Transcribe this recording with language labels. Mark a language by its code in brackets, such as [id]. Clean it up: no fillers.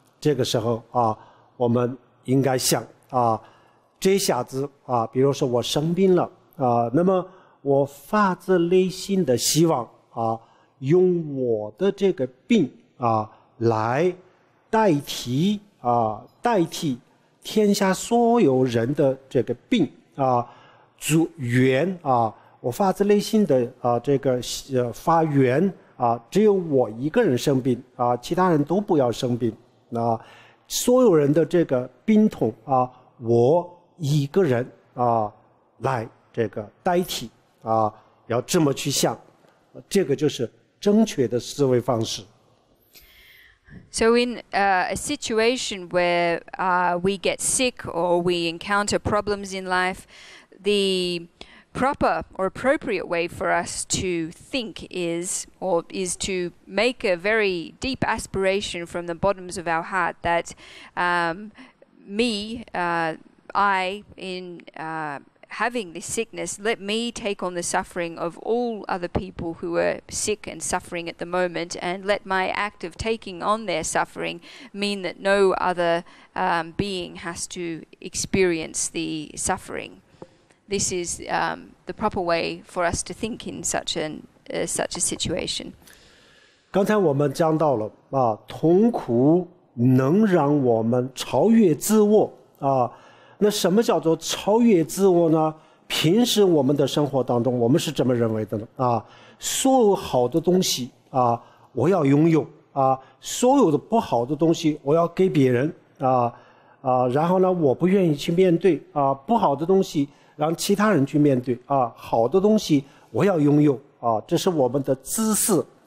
[zh] 这个时候我们应该想这下子比如说我生病了那么我发自内心的希望用我的这个病来代替代替天下所有人的这个病主源我发自内心的这个发源只有我一个人生病其他人都不要生病所有人的这个病痛我一个人来这个代替要这么去想这个就是正确的思维方式。 [en] So in a situation where we get sick or we encounter problems in life, the proper or appropriate way for us to think is to make a very deep aspiration from the bottoms of our heart that having this sickness, let me take on the suffering of all other people who are sick and suffering at the moment, and let my act of taking on their suffering mean that no other being has to experience the suffering. This is the proper way for us to think in such a situation. [zh] 刚才我们讲到了痛苦能让我们超越自我那什么叫做超越自我呢？平时我们的生活当中，我们是这么认为的呢？所有好的东西我要拥有所有的不好的东西我要给别人然后呢，我不愿意去面对不好的东西让其他人去面对好的东西我要拥有这是我们的自私。